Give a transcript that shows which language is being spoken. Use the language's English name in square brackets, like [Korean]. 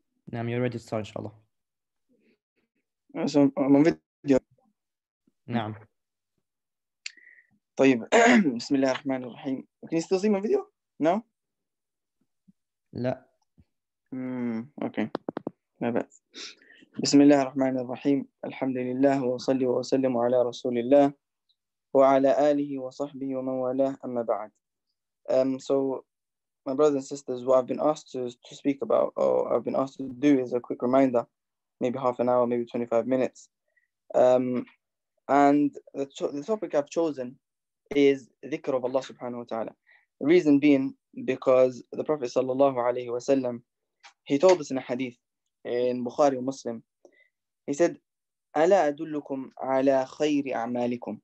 [English] Now you're ready to start, inshallah. So I'm on video. [Arabic] Naam. طيب بسم الله الرحمن الرحيم. [English] Can you still see my video? No? [Arabic] لا. Okay. ما بأس. بسم الله الرحمن الرحيم. الحمد لله وصلي وسلم على رسول الله وعلى آله وصحبه ومن والاه أما بعد. [English] So my brothers and sisters, what I've been asked to speak about, or I've been asked to do, is a quick reminder, maybe half an hour, maybe 25 minutes. And the topic I've chosen is dhikr of Allah subhanahu wa ta'ala. The reason being, because the Prophet sallallahu alayhi wa sallam, he told us in a hadith in Bukhari and Muslim, he said, [Arabic] "Ala adullukum ala khayri a'malikum."